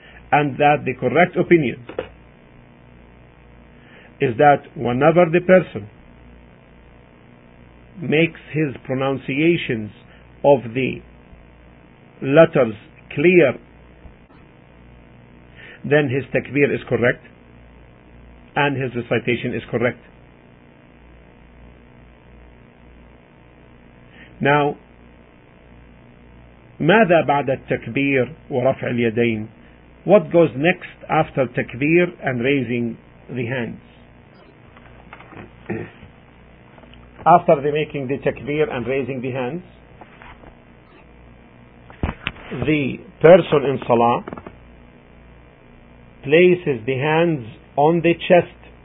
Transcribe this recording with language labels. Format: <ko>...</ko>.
<en>And that the correct opinion is that whenever the person makes his pronunciations of the letters clear, then his takbir is correct and his recitation is correct. Now,</en> <ar>ماذا بعد التكبير ورفع اليدين?</ar> <en>What goes next after takbir and raising the hands? After the making the takbir and raising the hands, the person in salah places the hands on the chest,</en>